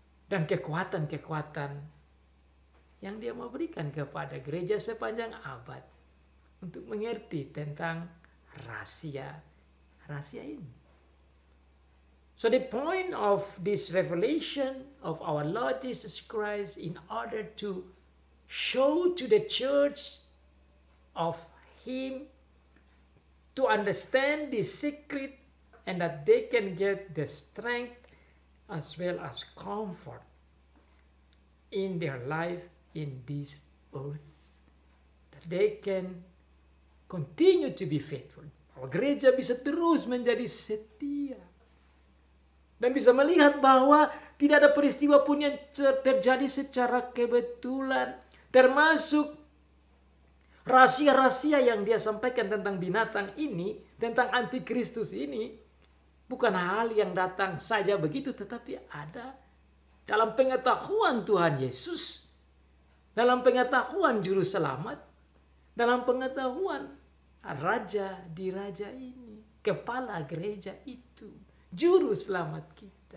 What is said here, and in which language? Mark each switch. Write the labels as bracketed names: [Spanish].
[Indonesian] dan kekuatan-kekuatan yang dia mau berikan kepada gereja sepanjang abad untuk mengerti tentang rahasia ini. [English] So the point of this revelation of our Lord Jesus Christ in order to show to the church of him to understand this secret and that they can get the strength as well as comfort in their life in this earth, that they can continue to be faithful. [Indonesian] Our gereja bisa terus menjadi setia dan bisa melihat bahwa tidak ada peristiwa pun yang terjadi secara kebetulan, termasuk rahasia-rahasia yang dia sampaikan tentang binatang ini, tentang antikristus ini, bukan hal yang datang saja begitu, tetapi ada dalam pengetahuan Tuhan Yesus, dalam pengetahuan Juru Selamat, dalam pengetahuan Raja di Raja ini, kepala gereja itu, Juru Selamat kita.